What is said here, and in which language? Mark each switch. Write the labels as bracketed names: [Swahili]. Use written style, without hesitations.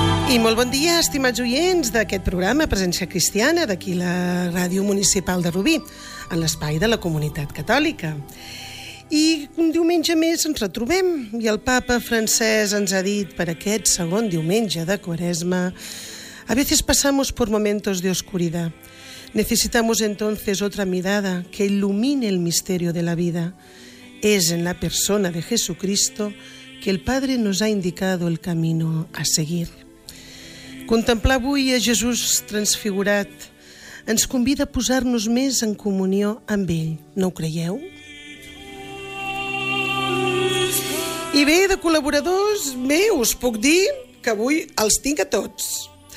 [Catalan] I molt bon dia, estimats oients d'aquest programa Presència Cristiana, d'aquí la Ràdio Municipal de Rubí, en l'espai de la comunitat catòlica. I un diumenge més ens retrobem, i el Papa Francesc ens ha dit per aquest segon diumenge de Quaresma: [Spanish] a veces pasamos por momentos de oscuridad. Necesitamos entonces otra mirada que ilumine el misterio de la vida. Es en la persona de Jesucristo que el Padre nos ha indicado el camino a seguir. [Catalan] Contemplar avui a Jesús transfigurat ens convida a posar-nos més en comunió amb ell, no ho creieu? I bé, de col·laboradors, bé, us puc dir que avui els tinc a tots.